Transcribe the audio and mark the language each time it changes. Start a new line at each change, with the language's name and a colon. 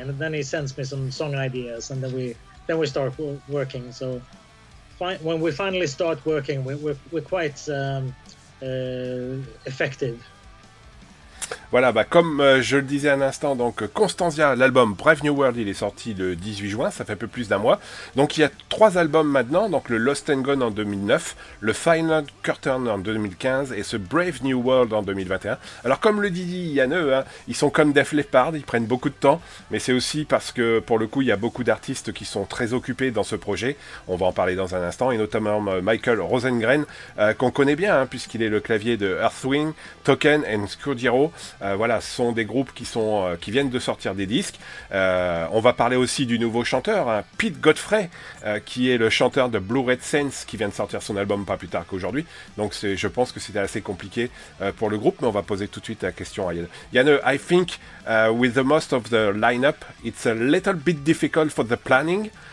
English: And then he sends me some song ideas, and then we start working. So when we finally start working, we're quite effective.
French: Voilà, bah comme je le disais un instant, donc Constantia, l'album Brave New World, il est sorti le 18 juin, ça fait un peu plus d'un mois. Donc il y a trois albums maintenant, donc le Lost and Gone en 2009, le Final Curtain en 2015 et ce Brave New World en 2021. Alors comme le dit Janne, hein, ils sont comme Def Leppard, ils prennent beaucoup de temps, mais c'est aussi parce que pour le coup il y a beaucoup d'artistes qui sont très occupés dans ce projet, on va en parler dans un instant, et notamment Michael Rosengren, qu'on connaît bien, hein, puisqu'il est le clavier de Earthwing, Token and Scudiero. Voilà, ce sont des groupes qui viennent de sortir des disques. On va parler aussi du nouveau chanteur, hein, Pete Godfrey, qui est le chanteur de Blue Red Sense, qui vient de sortir son album pas plus tard qu'aujourd'hui. Donc je pense que c'était assez compliqué pour le groupe, mais on va poser tout de suite la question à Janne.
English: I think with the most of the lineup, it's a little bit difficult for the planning.